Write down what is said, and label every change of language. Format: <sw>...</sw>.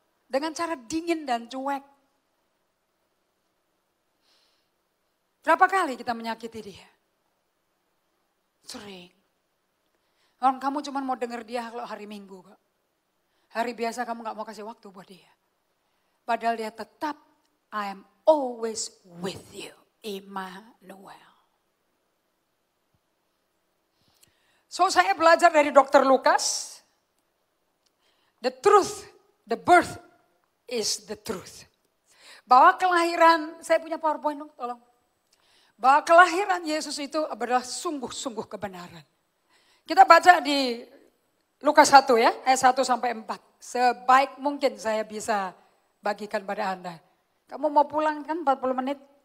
<id>dengan cara dingin dan cuek. Berapa kali kita menyakiti dia? Sering. Orang kamu cuma mau dengar dia kalau hari Minggu kok. Hari biasa kamu gak mau kasih waktu buat dia. Padahal dia tetap, I am always with you, Emmanuel.</id> <en>So saya belajar dari Dr. Lukas, the truth, the birth is the truth.</en> <id>Bahwa kelahiran, saya punya PowerPoint dong, tolong. Bahwa kelahiran Yesus itu adalah sungguh-sungguh kebenaran. Kita baca di Lukas 1 ya, ayat 1 sampai 4. Sebaik mungkin saya bisa bagikan pada Anda. Kamu mau pulang kan 40 menit?</id>